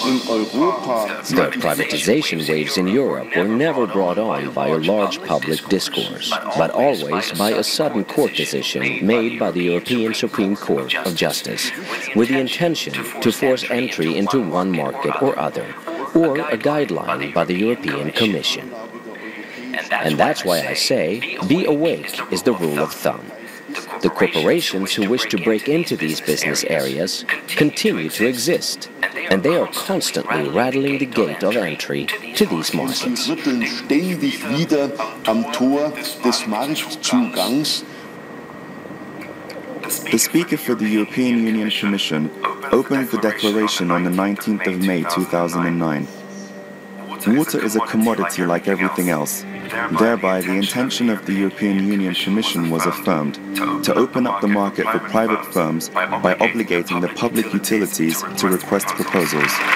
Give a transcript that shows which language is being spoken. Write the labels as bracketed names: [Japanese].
[English] The privatization waves in Europe were never brought on by a large public discourse, but always by a sudden court decision made by the European Supreme Court of Justice, with the intention to force entry into one market or other, or a guideline by the European Commission. And that's why I say, be awake is the rule of thumb. The corporations who wish to break into these business areas continue to exist, and they are constantly rattling the gate of entry to these markets. [German] Sie rütteln ständig wieder am Tor des Marktzugangs. [English] The speaker for the European Union Commission opened the declaration on the 19th of May 2009. Water is a commodity like everything else. Thereby, the intention of the European Union Commission was affirmed to open up the market for private firms by obligating the public utilities to request proposals.